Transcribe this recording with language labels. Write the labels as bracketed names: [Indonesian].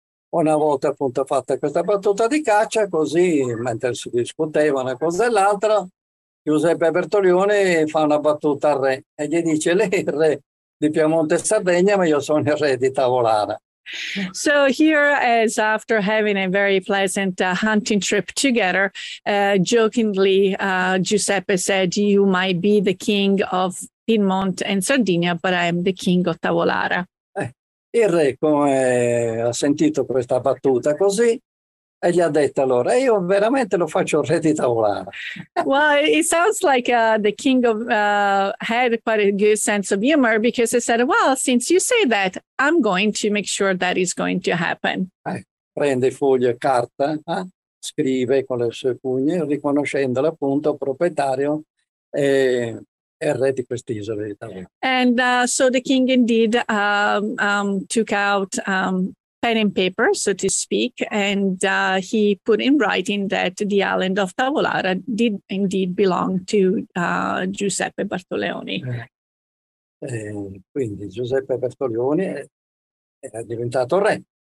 [Italian] Una volta appunto fatta questa battuta di caccia, così mentre si discuteva una cosa e l'altra, Giuseppe Bertolione fa una battuta al re e gli dice: lei è il re di Piemonte e Sardegna, ma io sono il re di Tavolara. [English] So here, as after having a very pleasant hunting trip together, jokingly Giuseppe said, you might be the king of Piemonte and Sardegna, but I am the king of Tavolara. [Italian] Il re come ha sentito questa battuta così, e gli ha detto allora, io veramente lo faccio re di Tavolara. [English] Well, it sounds like the king of had quite a good sense of humor, because he said, well, since you say that, I'm going to make sure that is going to happen. [Italian] Prende foglio e carta, scrive con le sue pugne, riconoscendo l'appunto proprietario e re di quest'isola di Tavolara. [English] And so the king indeed took out pen and paper, so to speak, and he put in writing that the island of Tavolara did indeed belong to Giuseppe Bartoleoni. [Italian] Quindi Giuseppe Bartoleoni era diventato re.